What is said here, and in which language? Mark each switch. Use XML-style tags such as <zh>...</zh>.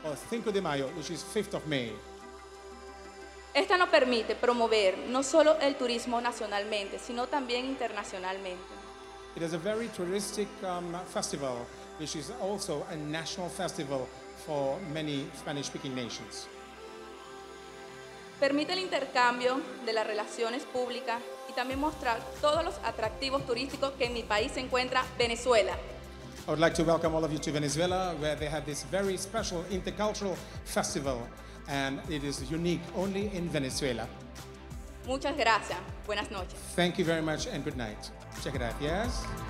<en>Cinco de Mayo, which is 5th of May.</en> <es>Esta nos permite promover no solo el turismo nacionalmente, sino también internacionalmente.</es> <en>It is a very touristic festival, which is also a national festival for many Spanish-speaking nations.</en> <es>Permite el intercambio de las relaciones públicas y también mostrar todos los atractivos turísticos que en mi país se encuentra Venezuela.</es> <en>I would like to welcome all of you to Venezuela, where they have this very special intercultural festival, and it is unique only in Venezuela.</en> <es>Muchas gracias. Buenas noches.</es> <en>Thank you very much and good night.</en> <es>Muchas gracias.</es>